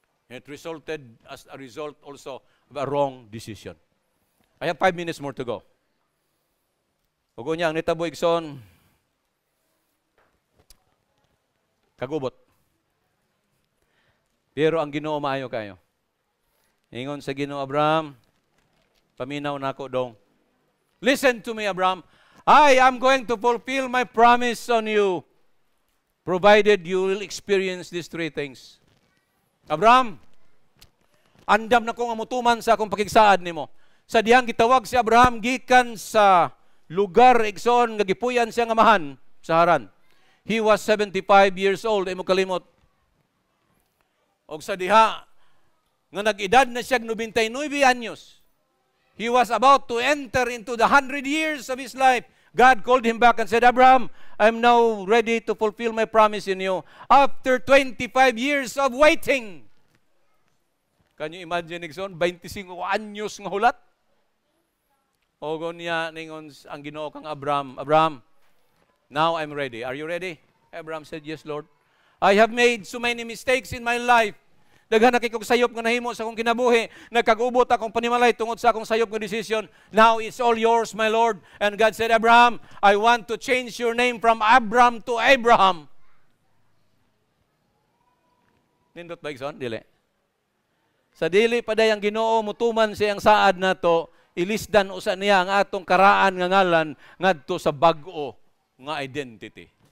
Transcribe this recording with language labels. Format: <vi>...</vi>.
<en>It resulted as a result also of a wrong decision. I have 5 minutes more to go.</en> <ceb>Ugo niya ang nitabo igson. Kagubot. Pero ang Ginoo maayo kayo. Ingon sa Ginoo Abraham, paminaw nako dong.</ceb> <en>Listen to me Abraham, I am going to fulfill my promise on you provided you will experience these 3 things.</en> <ceb>Abraham, andam na kong amutuman sa akong pakigsaad nimo. Sa dihang gitawag si Abraham gikan sa lugar igson nga gipuyan siyang amahan sa Haran.</ceb> <en>He was 75 years old,</en> <ceb>imo kalimot. Og sa diha nga nag-edad na siyang 99 anyos.</ceb> <en>He was about to enter into the 100 years of his life. God called him back and said, Abraham, I'm now ready to fulfill my promise in you. After 25 years of waiting. Can you imagine, Nixon?</en> <ceb>25 anyos nga hulat? Ogo niya, ningon ang Ginoo kang Abraham.</ceb> <en>Abraham, now I'm ready. Are you ready? Abraham said, yes, Lord. I have made so many mistakes in my life.</en> <ceb>Daghan akong sayop nga nahimo sa akong kinabuhi, nagkagubot akong panimalay tungod sa akong sayop nga decision.</ceb> <en>Now it's all yours, my Lord. And God said, Abraham, I want to change your name from Abram to Abraham.</en> <ceb>Nindot ba igson? Dili. Sa dili paday ang Ginoo mutuman siyang saad na to, ilisdan usa niya ang atong karaan nga ngalan ngadto sa bag-o nga identity.</ceb>